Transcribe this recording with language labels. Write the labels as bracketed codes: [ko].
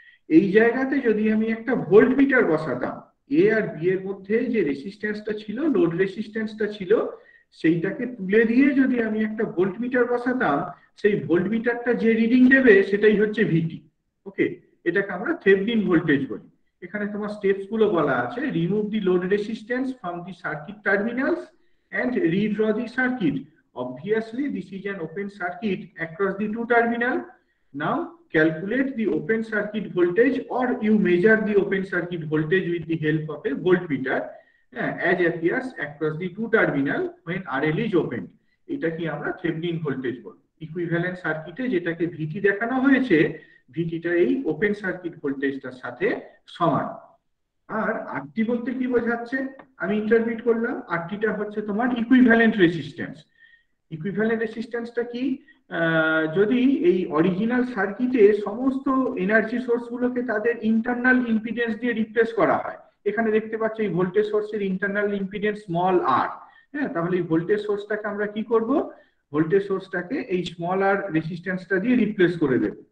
[bn] এই জায়গাতে যদি আমি একটা ভোল্ট মিটার বসাতাম, এ আর বি এর মধ্যে যে রেসিস্ট্যান্সটা ছিল, লোড রেসিস্ট্যান্সটা ছিল, সেইটাকে তুলে দিয়ে যদি আমি একটা ভোল্ট মিটার বসাতাম, সেই ভোল্ট মিটারটা যে রিডিং দেবে সেটাই হচ্ছে ভিটি। ওকে, এটাকে আমরা থেভেনিন ভোল্টেজ বলি। এখানে তোমার স্টেপস গুলো বলা আছে, [en] Remove the load resistance from the circuit terminals and redraw the circuit. Obviously, this is an open circuit across the two terminal. Now, calculate the open circuit voltage or you measure the open circuit voltage with the help of a voltmeter as appears across the two terminal when RL is open. [bn] এটা কি আমরা Thevenin voltage বলবো? Equivalent সার্কিটে যেটাকে ভিটি দেখানো হয়েছে, ভিটিটা এই open circuit ভোল্টেজটার সাথে সমান। আর আরটি বলতে কি বোঝাচ্ছে আমি ইন্টারপ্রিট করলাম, আরটিটা হচ্ছে তোমার ইকুইভ্যালেন্ট রেসিস্ট্যান্স। ইকুইভ্যালেন্ট রেসিস্ট্যান্সটা কি? যদি এই অরিজিনাল সার্কিটে সমস্ত এনার্জি সোর্স গুলোকে তাদের ইন্টারনাল ইম্পিডেন্স দিয়ে রিপ্লেস করা হয়, এখানে দেখতে পাচ্ছ এই ভোল্টেজ সোর্সের ইন্টারনাল ইম্পিডেন্স স্মল আর, হ্যাঁ, তাহলে এই ভোল্টেজ সোর্সটাকে আমরা কি করব, ভোল্টেজ সোর্সটাকে এই স্মল আর রেসিস্ট্যান্সটা দিয়ে রিপ্লেস করে দেব।